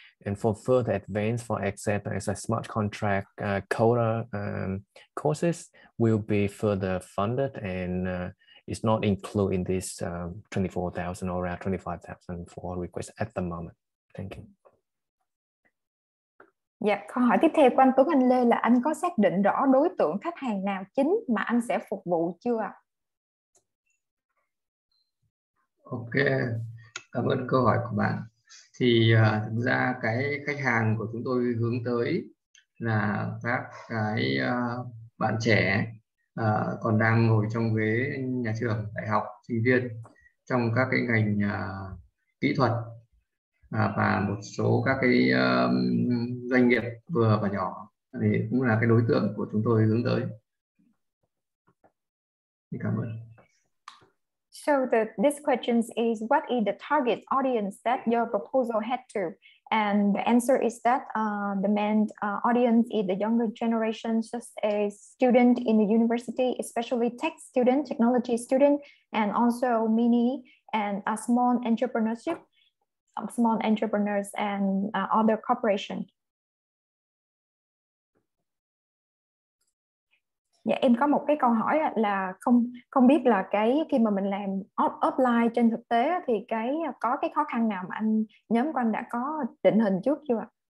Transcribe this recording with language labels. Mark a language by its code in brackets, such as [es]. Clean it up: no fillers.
[en] And for further advance, for example, as a smart contract coder courses will be further funded and it's not included in this 24,000 or around 25,000 for request at the moment. Thank you. [vi] Yeah, câu hỏi tiếp theo của anh Tuấn Anh Lê là anh có xác định rõ đối tượng khách hàng nào chính mà anh sẽ phục vụ chưa? Ok, cảm ơn câu hỏi của bạn. Thì thực ra cái khách hàng của chúng tôi hướng tới là các cái bạn trẻ còn đang ngồi trong ghế nhà trường, đại học, sinh viên trong các cái ngành kỹ thuật và một số các cái doanh nghiệp vừa và nhỏ thì cũng là cái đối tượng của chúng tôi hướng tới. Cảm ơn. [en] So this question is, what is the target audience that your proposal had to? And the answer is that the main audience is the younger generation, just a student in the university, especially tech student, technology student, and also mini and small entrepreneurship, small entrepreneurs and other corporation. [vi] Dạ, em có một cái câu hỏi là không không biết là cái khi mà mình làm offline trên thực tế thì cái có cái khó khăn nào mà anh nhóm của anh đã có định hình trước chưa ạ?